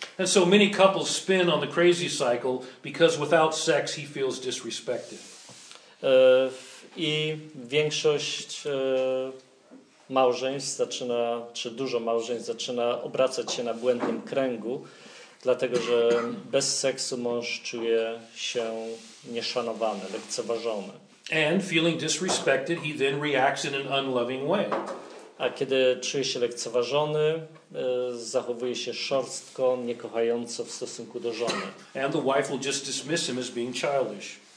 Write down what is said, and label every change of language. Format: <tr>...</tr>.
<en>And so many couples spin on the crazy cycle because without sex he feels disrespected.</en> <pl>I większość małżeństw zaczyna, czy dużo małżeństw zaczyna obracać się na błędnym kręgu, dlatego że bez seksu mąż czuje się nieszanowany, lekceważony.</pl> <en>And feeling disrespected, he then reacts in an unloving way.</en> <pl>A kiedy czuje się lekceważony, zachowuje się szorstko, niekochająco w stosunku do żony.</pl> <en>And the wife will just dismiss him as being childish.</en>